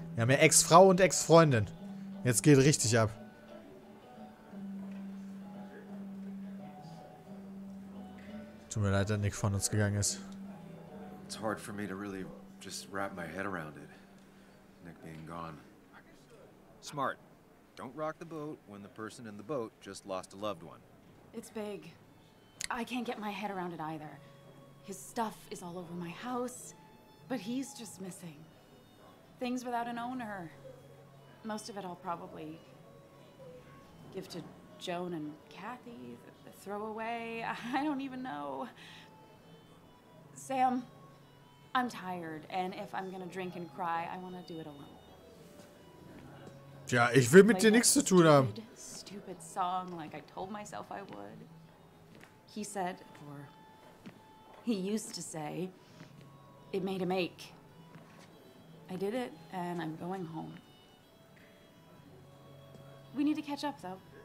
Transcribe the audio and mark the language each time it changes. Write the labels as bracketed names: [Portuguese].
[German] Wir haben ja Ex-Frau und Ex-Freundin. Jetzt geht richtig ab. Tut mir leid, dass Nick von uns gegangen ist. [English] It's hard for me to really just wrap my head around it. Nick being gone. Smart. Don't rock the boat when the person in the boat just lost a loved one. It's big. I can't get my head around it either. His stuff is all over my house, but he's just missing. Things without an owner. Most of it I'll probably give to Joan and Kathy, the throwaway. I don't even know. Sam, I'm tired, and if I'm gonna drink and cry, I wanna do it alone. [German] Ja, ich will mit dir nichts zu tun haben. [English] Stupid song, like I told myself I would. He said, or he used to say, it made him ache. I did it, and I'm going home. We need to catch up, though.